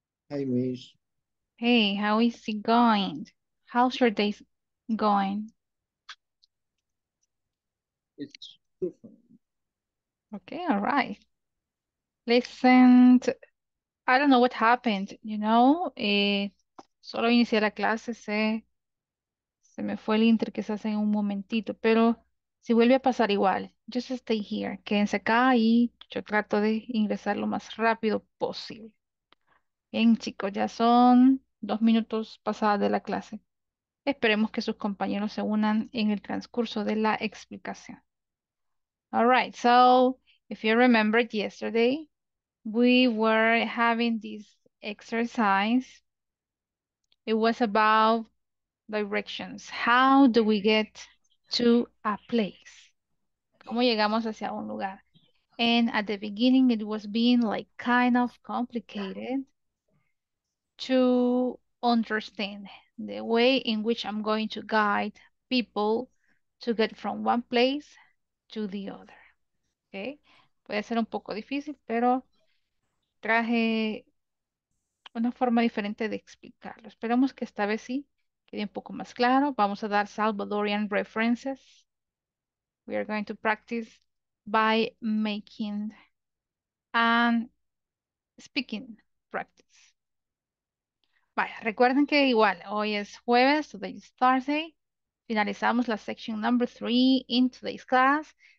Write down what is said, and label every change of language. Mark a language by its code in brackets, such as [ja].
[en] Hi, Mish. Hey, how is it going? How's your day going? It's too fun. Okay, all right. Listen, I don't know what happened, you know? [es] Solo inicié la clase, se me fue el inter quizás en un momentito, pero si vuelve a pasar igual, [en] just stay here, [es] quédense acá y yo trato de ingresar lo más rápido posible. Bien, chicos, ya son 2 minutos pasadas de la clase. Esperemos que sus compañeros se unan en el transcurso de la explicación. [en] All right, if you remember yesterday, we were having this exercise. It was about directions. How do we get to a place? [es] ¿Cómo llegamos hacia un lugar? [en] And at the beginning, it was being like kind of complicated to understand the way in which I'm going to guide people to get from one place to the other. Okay? [es] Puede ser un poco difícil, pero traje una forma diferente de explicarlo. Esperemos que esta vez sí quede un poco más claro. Vamos a dar [en] Salvadorian references. We are going to practice by making and speaking practice. [es] Vaya, recuerden que igual hoy es jueves, [en] today is Thursday. [es] Finalizamos la [en] section number 3 in today's class.